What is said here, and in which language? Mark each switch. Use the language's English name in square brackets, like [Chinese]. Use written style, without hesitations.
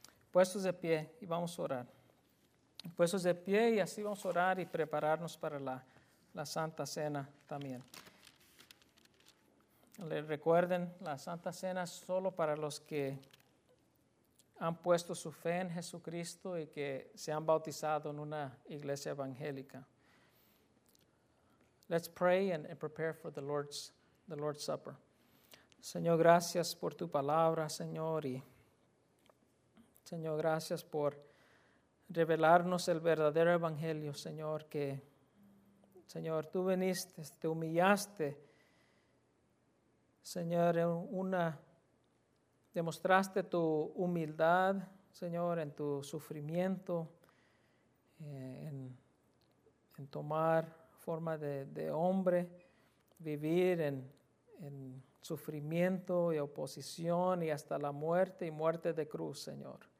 [Spanish] Puestos de pie y vamos a orar. Puestos de pie y así vamos a orar y prepararnos para la Santa Cena también. Le recuerden, la Santa Cena es solo para los que han puesto su fe en Jesucristo y que se han bautizado en una iglesia evangélica. [English] Let's pray and prepare for the Lord's Supper. [Spanish] Señor, gracias por tu palabra, Señor, y Señor, gracias por revelarnos el verdadero evangelio, Señor, que, Señor, tú viniste, te humillaste, Señor, en una, demostraste tu humildad, Señor, en tu sufrimiento, en tomar forma de hombre, vivir en sufrimiento y oposición y hasta la muerte y muerte de cruz, Señor.